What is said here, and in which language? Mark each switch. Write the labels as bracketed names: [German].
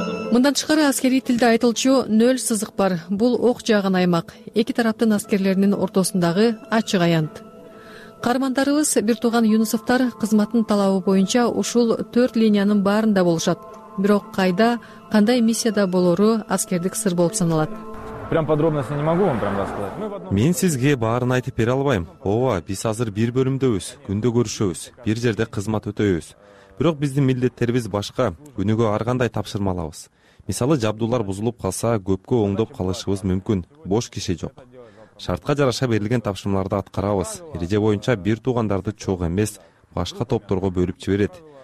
[Kyrgyz] Мындан тышкары аскерий тилде айтылчу нөл сызык бар. Бул ок жааган аймак, эки тараптын аскерлеринин ортосундагы ачык аянт. Каармандарыбыз бир тууган Юнусовтор кызматтын талабы боюнча ушул 4 линиянын баарында болушат. Бирок кайда, кандай миссияда болору аскердик сыр болуп саналат. [Russian] Прям подробности не могу вам прям рассказать. [Kyrgyz] Мен сизге баарын айтып бере албайм. Ооба, биз азыр бир бөлүмдөбүз, күндө көрүшөбүз, бир жерде кызмат өтөбүз. Бирок биздин милдеттерибиз башка, күнүгө ар кандай тапшырма алабыз. Мисалы, жабдуулар бузулуп калса, көпкө оңдоп калышыбыз мүмкүн, бош киши жок. Шартка жараша берилген тапшырмаларды аткарабыз. Эреже боюнча бир туугандарды чогуу эмес, башка топторго бөлүп жиберет.